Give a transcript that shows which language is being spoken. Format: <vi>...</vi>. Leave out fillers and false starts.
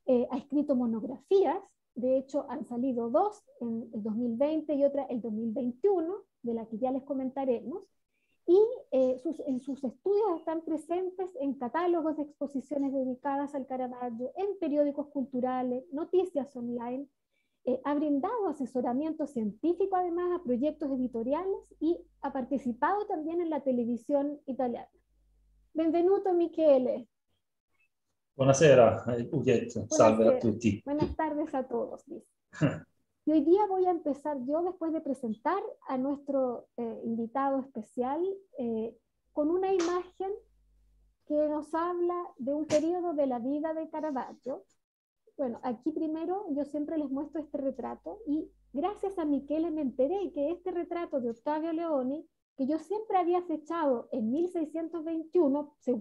<es>ha escrito monografías, de hecho han salido dos en el 2020 y otra el 2021, de la que ya les comentaremos, y en sus estudios están presentes en catálogos de exposiciones dedicadas al Caravaggio, en periódicos culturales, noticias online, ha brindado asesoramiento científico además a proyectos editoriales y ha participado también en la televisión italiana.</es> <it>Benvenuto Michele. Buonasera, Huguet, salve a tutti.</it> <es>Buenas tardes a todos. Y hoy día voy a empezar yo, después de presentar a nuestro invitado especial, con una imagen que nos habla de un periodo de la vida de Caravaggio. Bueno, aquí primero yo siempre les muestro este retrato, y gracias a Michele me enteré que este retrato de Ottavio Leoni, que yo siempre había fechado en 1621,</es>